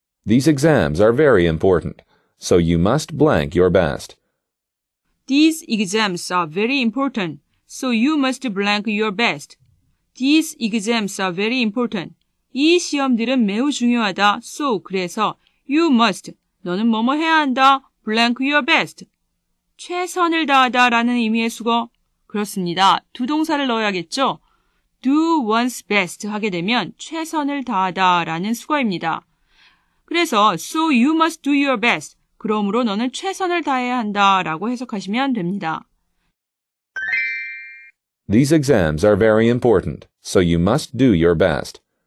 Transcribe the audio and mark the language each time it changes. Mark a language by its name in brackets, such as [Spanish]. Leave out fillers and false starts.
[English] These exams are very important, so you must blank your best. These exams are very important, so you must blank your best. These exams are very important. [Korean] 이 시험들은 매우 중요하다. So, 그래서 [English] you must, [Korean] 너는 뭐뭐 해야 한다. [English] Blank your best. [Korean] 최선을 다하다 라는 의미의 수거. 그렇습니다. 두 동사를 넣어야겠죠? [English] Do one's best [Korean] 하게 되면 최선을 다하다 라는 수거입니다. [English] 그래서 So you must do your best. [Korean] 그러므로 너는 최선을 다해야 한다 라고 해석하시면 됩니다. [English] These exams are very important, so you must do your best.